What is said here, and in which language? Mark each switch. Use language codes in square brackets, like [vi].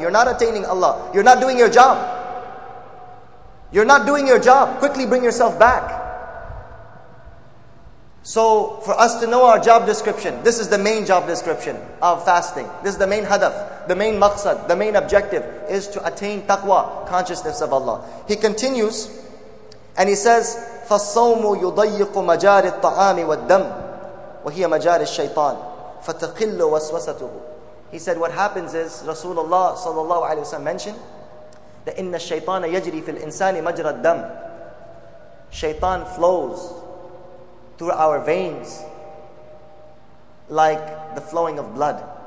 [en] You're not attaining Allah. You're not doing your job. You're not doing your job. Quickly bring yourself back. So, for us to know our job description, this is the main job description of fasting. This is the main hadaf, the main maqsad, the main objective is to attain taqwa, consciousness of Allah. He continues, and he says, [ar] فَالصَّوْمُ يُضَيِّقُ مَجَارِ الطَّعَامِ وَالدَّمِ وَهِيَ مَجَارِ الشَّيْطَانِ فَتَقِلُّ وَسْوَسَتُهُ. [en] He said, what happens is, Rasulullah sallallahu alayhi wasallam mentioned, that [ar] إِنَّ الشَّيْطَانَ يَجْرِي فِي الْإِنسَانِ مَجْرَ الدَّمِ. [en] Shaitan flows through our veins, like the flowing of blood.